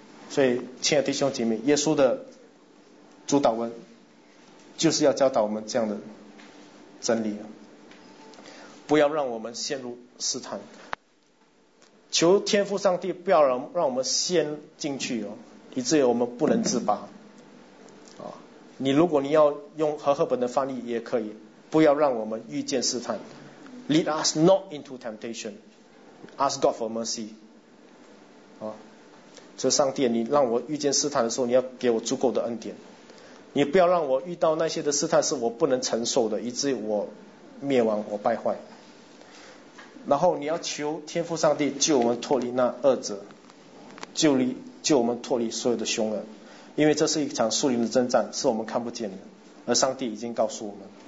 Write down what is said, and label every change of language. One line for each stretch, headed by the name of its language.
Chinese: 所以亲爱的弟兄姐妹，耶稣的主导文就是要教导我们这样的真理，不要让我们陷入试探。求天父上帝不要让我们陷进去哦，以至于我们不能自拔。你如果你要用和合本的翻译也可以，不要让我们遇见试探。
English: Lead us not into temptation, ask God for mercy.
Chinese: 所以上帝，你让我遇见试探的时候，你要给我足够的恩典，你不要让我遇到那些的试探是我不能承受的，以至于我灭亡，我败坏。然后你要求天父上帝救我们脱离那恶者，救我们脱离所有的凶恶，因为这是一场树林的征战，是我们看不见的，而上帝已经告诉我们。